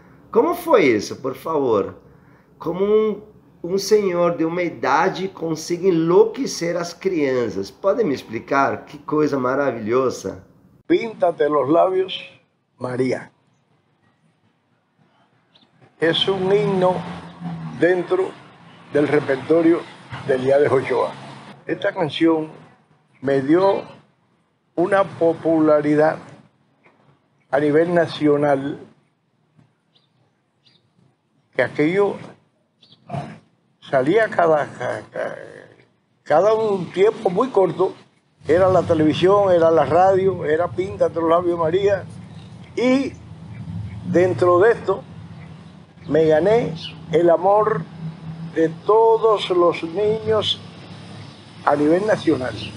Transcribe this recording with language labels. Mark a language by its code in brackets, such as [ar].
[pt] Como foi isso, por favor? Como um senhor de uma idade consegue enlouquecer as crianças? Pode me explicar? Que coisa maravilhosa. [es] Píntate los labios, María. [pt] É um himno dentro do repertório de Eliades Ochoa. [es] Esta canción me dio una popularidad a nivel nacional que aquello salía cada cada un tiempo muy corto, era la televisión, era la radio, era Píntate los Labios María, y dentro de esto me gané el amor de todos los niños a nivel nacional.